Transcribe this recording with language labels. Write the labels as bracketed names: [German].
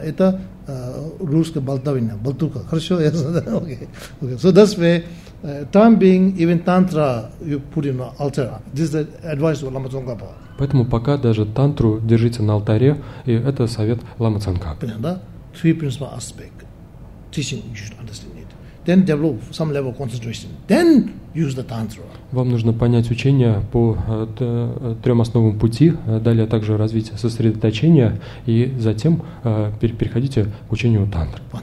[Russian] Это русская болтовина, болтука. Хорошо, ясно, да? Окей. [English] So that's why, time being, even Tantra you put in altar. This is the advice of Lama Tsongkhapa. [Russian] Поэтому пока даже тантру держите на алтаре, и это совет Лама Цанкапа. Понятно, да? [English] Three principal aspects. Teaching, you should understand it. Then develop some level of concentration. Then use the tantra. [Russian] Вам нужно понять учение по трем основам пути, далее также развитие сосредоточения, и затем переходите к учению тантры.